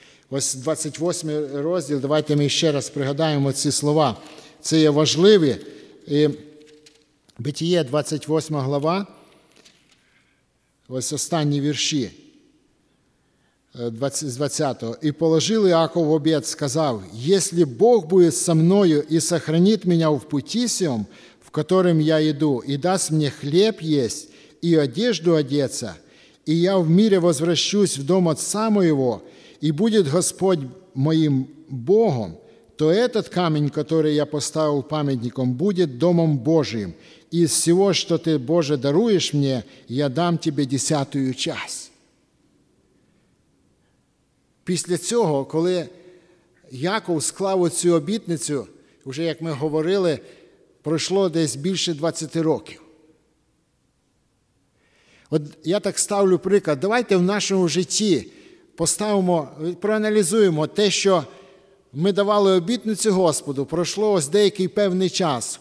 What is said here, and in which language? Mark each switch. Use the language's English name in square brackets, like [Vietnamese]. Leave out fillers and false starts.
[Ukrainian] Ось 28 розділ, давайте ми ще раз пригадаємо ці слова. Це є важливі. І Битіє, 28 глава, ось останні вірші, з 20-го. [Russian] «І положив Іаков в обет, сказав, «Если Бог буде со мною і сохранит меня в пути сьом, в котором я йду, [Ukrainian] і дасть мені хліб [Russian] єсть, і одежду одеться, і я в мире возвращусь в дом отца моего, і будет Господь моїм Богом, то этот камень, который я поставил памятником, будет домом Божиим. Из всего, что ты, Боже, даруешь мне, я дам тебе десятую часть». [Ukrainian] Після цього, коли Яков склав оцю обітницю, вже як ми говорили, пройшло десь більше 20 років. От я так ставлю приклад. Давайте в нашому житті поставимо, проаналізуємо те, що ми давали обітницю Господу, пройшло ось деякий певний час.